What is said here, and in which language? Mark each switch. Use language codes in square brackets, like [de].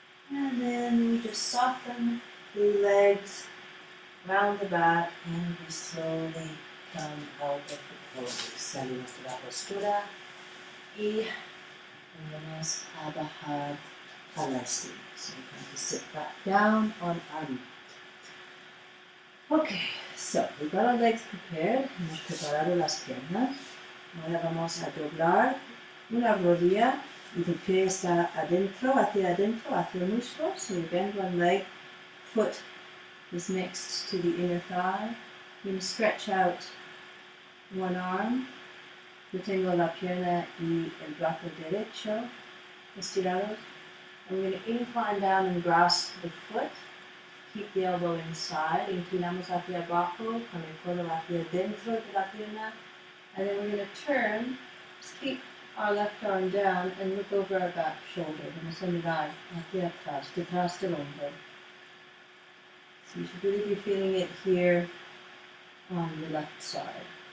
[en] And then we just soften the legs round the back and we slowly come out of the pose. [es] Salimos de la postura y vamos a bajar a la esquina. [en] So we're going to sit back down on our mat. Okay, so we've got our legs prepared. [es] Hemos preparado las piernas. Ahora vamos a doblar una rodilla. The pie está adentro, hacia adentro, hacia el muslo. [en] So you bend one leg, foot is next to the inner thigh. You stretch out one arm. [es] Yo tengo la pierna y el brazo derecho estirados. [en] I'm going to incline down and grasp the foot. Keep the elbow inside. [es] Inclinamos hacia abajo con el codo hacia adentro de la pierna. [en] And then we're going to turn, just keep our left arm down and look over our back shoulder. [es] Vamos a mirar hacia atrás, detrás del hombro. [en] So you should really be feeling it here on the left side.